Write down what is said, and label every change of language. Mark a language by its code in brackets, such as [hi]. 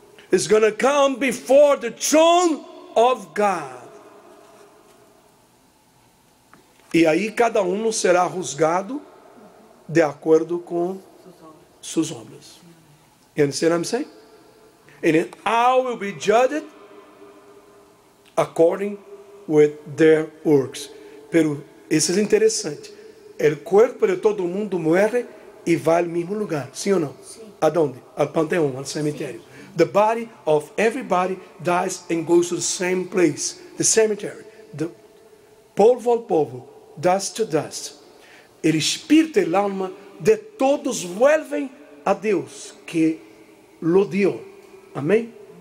[en] Is going to come before the throne of God. [pt] E aí cada um será juzgado de acordo com suas obras. [en] You understand what I'm saying? And then all will be judged according with their works. [pt] Pero isso é interessante. O corpo de todo mundo morre e vai ao mesmo lugar. Sim ou não? Sim. Aonde? Ao panteão, ao cemitério. Sim. [en] The body of everybody dies and goes to the same place, the cemetery. [es] The polvo al polvo, [en] dust to dust. [pt] O espírito e alma de todos vuelvem a Deus que lo dio. Amém?